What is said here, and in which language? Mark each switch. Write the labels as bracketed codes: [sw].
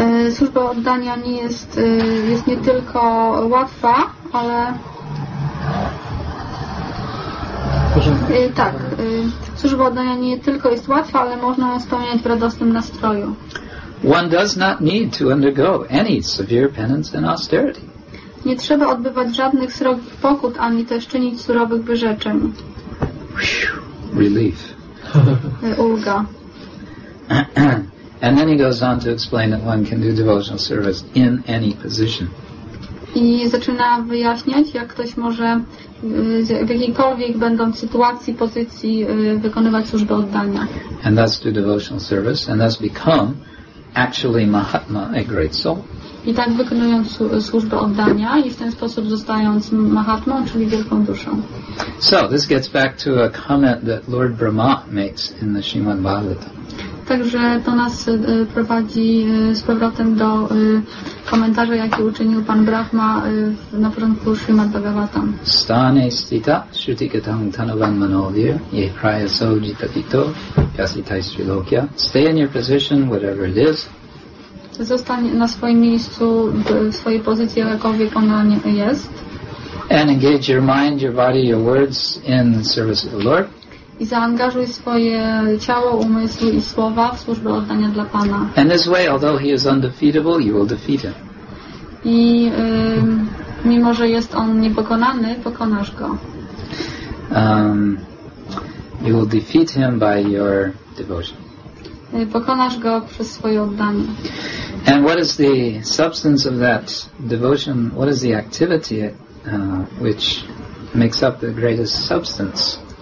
[pl] Służba oddania nie jest, jest nie tylko łatwa, ale... Tak, służba oddania nie tylko jest łatwa, ale można ją spełniać w radosnym nastroju. [en] One does not need to undergo any severe penance and austerity. [pl] Nie trzeba odbywać żadnych srogich pokut, ani też czynić surowych wyrzeczeń. [en] Relief. [pl] Ulga. [en] And then he goes on to explain that one can do devotional service in any position. [pl] I zaczyna wyjaśniać, jak ktoś może w jakiejkolwiek będąc sytuacji, pozycji wykonywać służbę oddania. [en] And thus do devotional service, and thus become actually Mahatma, a great soul. [pl] I tak wykonując służbę oddania i w ten sposób zostając Mahatmą, czyli wielką duszą. [en] So, this gets back to a comment that Lord Brahma makes in the Śrīmad Bhāgavatam. [pl] Także to nas prowadzi z powrotem do komentarza, jaki uczynił Pan Brahma na początku Śrīmad Bhāgavatam. [sa] Stāne stita śrutikatam tanuvan manovya ye prayaso jitapito yasitai śrilokya. [en] Stay in your position, whatever it is. [pl] Zostań na swoim miejscu, w swojej pozycji, jakakolwiek ona jest. [en] And engage your mind, your body, your words in the service of the Lord. [pl] I zaangażuj swoje ciało, umysł i słowa w służbę oddania dla Pana. [en] And this way, although he is undefeatable, you will defeat him. [pl] I mimo, że jest on niepokonany, pokonasz go. [en] You will defeat him by your devotion. [pl] Pokonasz go przez swoje oddanie. [en] And what is the substance of that devotion? What is the activity which makes up the greatest substance?